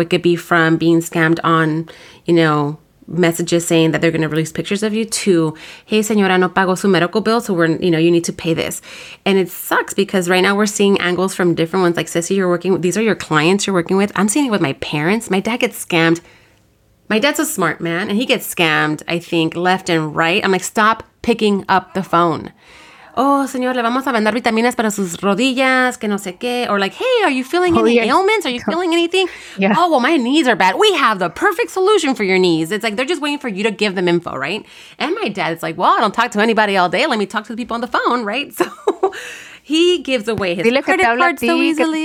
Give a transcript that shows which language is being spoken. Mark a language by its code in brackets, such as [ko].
[en] It could be from being scammed on, you know, messages saying that they're going to release pictures of you to, hey, [es] señora, no pago su [en] medical bill, so we're, you know, you need to pay this. And it sucks because right now we're seeing angles from different ones. Like, Ceci, you're working with, these are your clients you're working with. I'm seeing it with my parents. My dad gets scammed. My dad's a smart man, and he gets scammed, I think, left and right. I'm like, stop picking up the phone. [es] Oh, señor, le vamos a mandar vitaminas para sus rodillas, que no sé qué. [en] Or like, hey, are you feeling any ailments? Are you feeling anything? Yeah. Oh, well, my knees are bad. We have the perfect solution for your knees. It's like they're just waiting for you to give them info, right? And my dad is like, well, I don't talk to anybody all day. Let me talk to the people on the phone, right? So he gives away his dile credit card so easily.